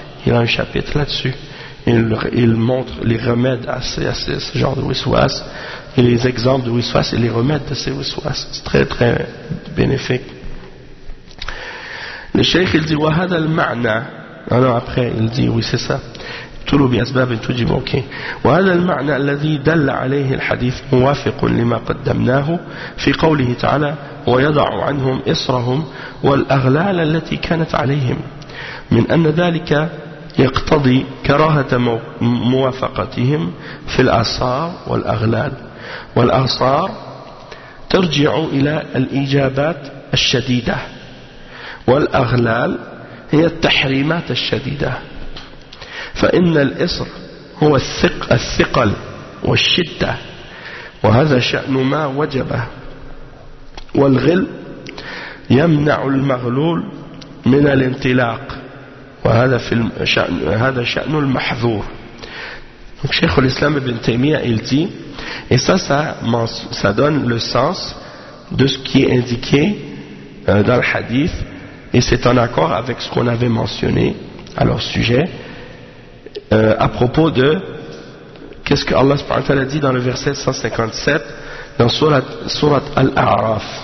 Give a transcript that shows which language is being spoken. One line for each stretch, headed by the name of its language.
French: Il a un chapitre là-dessus. Il montre les remèdes à ce genre de wiswas, et les exemples de wiswas et les remèdes de ces wiswas. C'est très très bénéfique. Le Cheikh, il dit Wahad al-Ma'na. Alors après, il dit oui, c'est ça.
Arabic: بأسباب تجب okay. وهذا المعنى الذي دل عليه الحديث موافق لما قدمناه في قوله تعالى ويضع عنهم إصرهم والأغلال التي كانت عليهم من أن ذلك يقتضي كراهة موافقتهم في الأصار والأغلال والأصار ترجع إلى الإجابات الشديدة والأغلال هي التحريمات الشديدة فإن الإصر هو الثقل والشدة وهذا شأن ما وجبه والغل يمنع المغلول من الانطلاق وهذا في شأن هذا شأن المحذور.
French: Donc Cheikh al-Islam ibn Taymiyyah il dit, et ça donne le sens de ce qui est indiqué dans le hadith, et c'est en accord avec ce qu'on avait mentionné à leur sujet. À propos de qu'est-ce que Allah subhanahu wa ta'ala dit dans le verset 157 dans surat Al-A'raf.